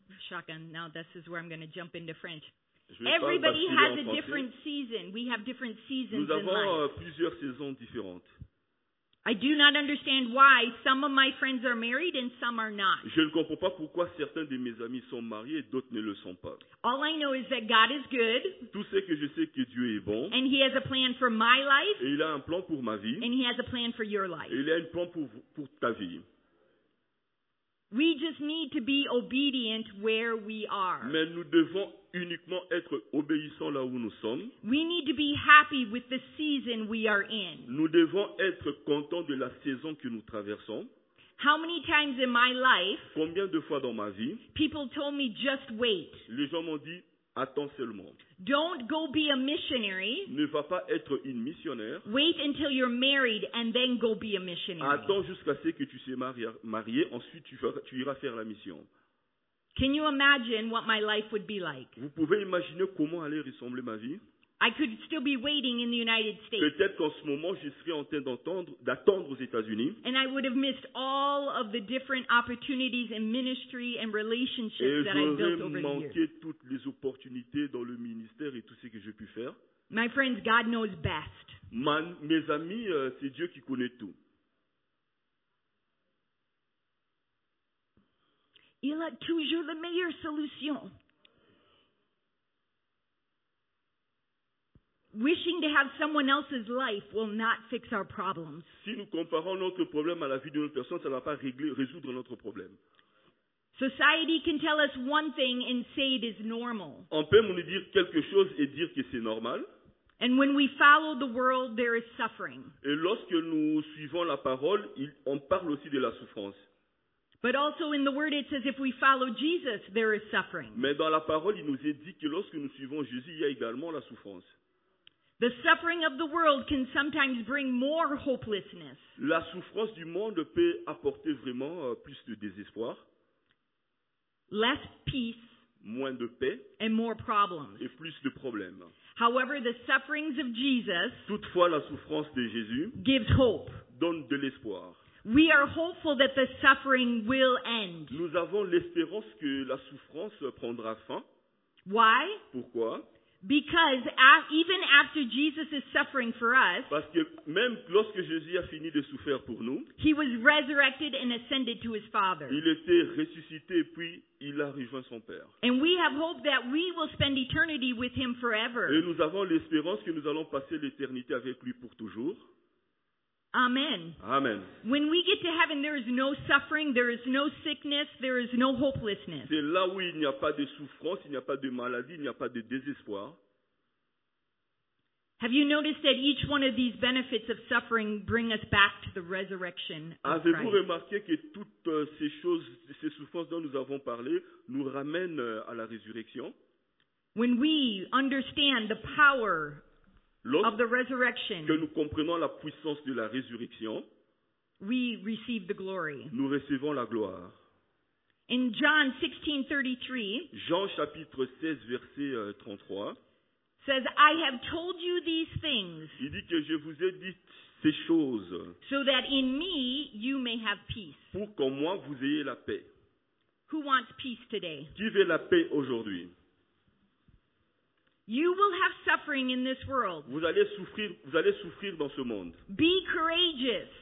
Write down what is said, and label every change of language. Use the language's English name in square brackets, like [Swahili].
[French] Chacun, [English] now this is where I'm going to jump into French. Everybody has a different season. We have different seasons in life. [French] Nous avons plusieurs saisons différentes. [English] I do not understand why some of my friends are married and some are not. [French] Je ne comprends pas pourquoi certains de mes amis sont mariés et d'autres ne le sont pas. [English] All I know is that God is good. [French] Tout ce que je sais que Dieu est bon. [English] And he has a plan for my life. [French] Et il a un plan pour ma vie. [English] And he has a plan for your life. [French] Et il a un plan pour ta vie. [English] We just need to be obedient where we are. [French] Mais nous devons uniquement être obéissants là où nous sommes. [English] We need to be happy with the season we are in. [French] Nous devons être contents de la saison que nous traversons. [English] How many times in my life? [French] Combien de fois dans ma vie? [English] People told me just wait. [French] Les gens m'ont dit attends seulement. [English] Don't go be a missionary. [French] Ne va pas être une missionnaire. [English] Wait until you're married and then go be a missionary. [French] Attends jusqu'à ce que tu sois marié, ensuite tu iras faire la mission. [English] Can you imagine what my life would be like? [French] Vous pouvez imaginer comment allait ressembler ma vie? [English] I could still be waiting in the United States. [French] Peut-être qu'en ce moment, je serais en train d'attendre aux États-Unis. [English] And I would have missed all of the different opportunities in ministry and relationships that I've built over the years. [French] Et j'aurais manqué toutes les opportunités dans le ministère et tout ce que j'ai pu faire. [English] My friends, God knows best. [French] Mes amis, c'est Dieu qui connaît tout. Il a toujours la meilleure solution. [English] Wishing to have someone else's life will not fix our problems. [French] Si nous comparons notre problème à la vie d'une autre personne, ça ne va pas résoudre notre problème. [English] Society can tell us one thing and say it is normal. [French] On peut nous dire quelque chose et dire que c'est normal. [English] And when we follow the world, there is suffering. [French] Et lorsque nous suivons la parole, on parle aussi de la souffrance. [English] But also in the word it says if we follow Jesus, there is suffering. [French] Mais dans la parole, il nous est dit que lorsque nous suivons Jésus, il y a également la souffrance. [English] The suffering of the world can sometimes bring more hopelessness. [French] La souffrance du monde peut apporter vraiment plus de désespoir. [English] Less peace. [French] moins de paix [English] and more problems. [French] Et plus de problèmes. [English] However, the sufferings of Jesus [French] toutefois, la souffrance de Jésus [English] gives hope. [French] Donne de l'espoir. [English] We are hopeful that the suffering will end. [French] Nous avons l'espérance que la souffrance prendra fin. [English] Why? [French] Pourquoi? [English] Because even after Jesus is suffering for us, [French] parce que même lorsque Jésus a fini de souffrir pour nous, [English] he was resurrected and ascended to his Father. [French] Il était ressuscité puis il a rejoint son Père. [English] And we have hope that we will spend eternity with him forever. [French] Et nous avons l'espérance que nous allons passer l'éternité avec lui pour toujours. [English] Amen. [French] Amen. [English] When we get to heaven, there is no suffering, there is no sickness, there is no hopelessness. [French] C'est là où il n'y a pas de souffrance, il n'y a pas de maladie, il n'y a pas de désespoir. [English] Have you noticed that each one of these benefits of suffering bring us back to the resurrection of Christ? [French] Avez-vous remarqué que toutes ces choses, ces souffrances dont nous avons parlé, nous ramènent à la résurrection? [English] When we understand the power of the resurrection, [French] que nous comprenons la puissance de la résurrection, [English] we receive the glory. [French] Nous recevons la gloire. [English] In John 16:33, [French] Jean chapitre 16 verset 33, [English] says, I have told you these things. [French] Il dit que je vous ai dit ces choses. [English] So that in me you may have peace. [French] Pour qu'en moi vous ayez la paix. [English] Who wants peace today? [French] Qui veut la paix aujourd'hui? [English] You will have suffering in this world. [French] Vous allez souffrir dans ce monde. [English] Be courageous.